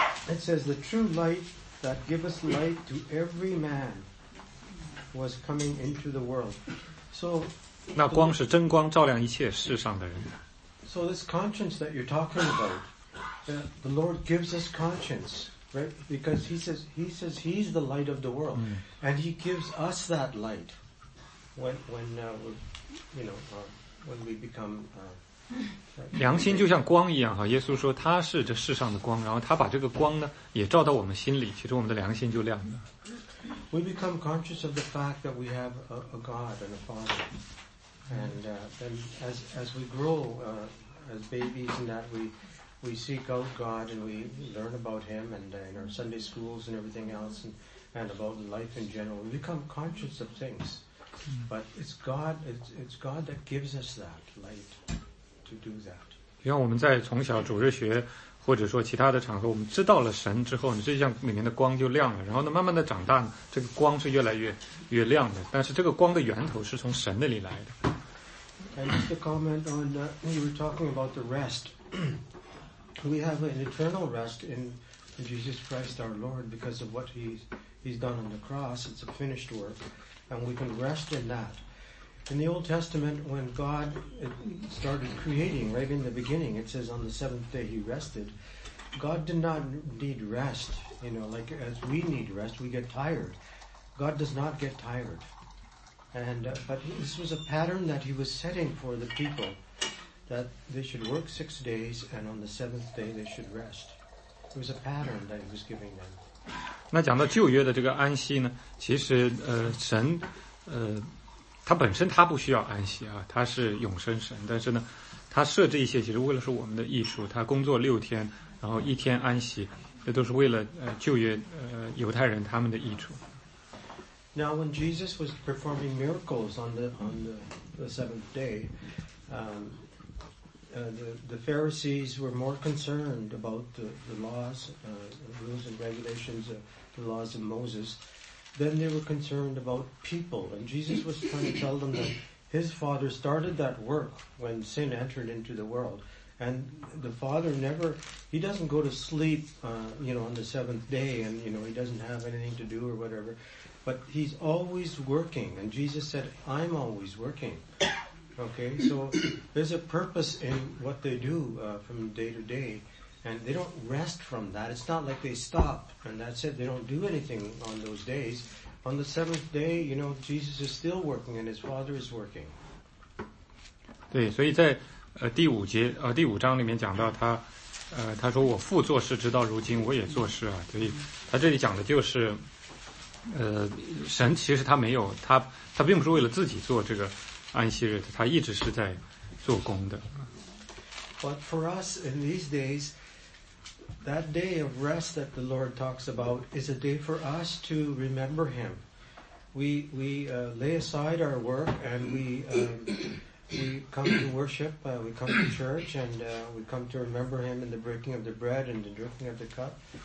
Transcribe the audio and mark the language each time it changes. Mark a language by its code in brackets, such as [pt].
[en] It says the true light that giveth light to every man was coming into the world. So, [zh] 那光是真光，照亮一切世上的人。 [en] So this conscience that you're talking about, the Lord gives us conscience, right? Because He says He's the light of the world, and He gives us that light when we become. [zh] 良心就像光一样哈，耶稣说他是这世上的光，然后他把这个光呢也照到我们心里，其实我们的良心就亮了。 [en] We become conscious of the fact that we have a God and a Father, and then as we grow as babies and that we seek out God and we learn about Him and in our Sunday schools and everything else and about life in general, we become conscious of things, but it's God that gives us that light. [zh] 就像我们在从小主日学或者说其他的场合，我们知道了神之后，你就像里面的光就亮了，然后呢慢慢的长大，这个光是越来越亮的，但是这个光的源头是从神那里来的。 [en] And just a comment on you were talking about the rest. We have an eternal rest in Jesus Christ our Lord because of what he's done on the cross. It's a finished work and we can rest in that. In the Old Testament, when God started creating, right in the beginning, it says on the seventh day He rested. God did not need rest, you know, like as we need rest, we get tired. God does not get tired. And, but this was a pattern that He was setting for the people, that they should work 6 days, and on the seventh day they should rest. It was a pattern that He was giving them. [zh] 那讲到旧约的这个安息呢，其实神他本身他不需要安息啊，他是永生神，但是呢他设置一些其实为了是我们的益处，他工作六天然后一天安息，这都是为了旧约犹太人他们的益处。 [en] Now when Jesus was performing miracles on the seventh day, the Pharisees were more concerned about the laws, rules and regulations, the laws of MosesThen they were concerned about people. And Jesus was trying to tell them that his Father started that work when sin entered into the world. And the Father never, he doesn't go to sleep, you know, on the seventh day and, you know, he doesn't have anything to do or whatever. But he's always working. And Jesus said, I'm always working. Okay, so there's a purpose in what they do from day to day. And they don't rest from that. It's not like they stop and that's it. They don't do anything on those days. On the seventh day, you know, Jesus is still working and his Father is working. [zh] 对，所以在第五节第五章里面讲到他他说我父做事直到如今我也做事啊。所以他这里讲的就是神其实他没有他并不是为了自己做这个安息日，他一直是在做工的。 [en] But for us in these days,That day of rest that the Lord talks about is a day for us to remember Him. We lay aside our work and we come to worship, we come to church and we come to remember Him in the breaking of the bread and the drinking of the cup.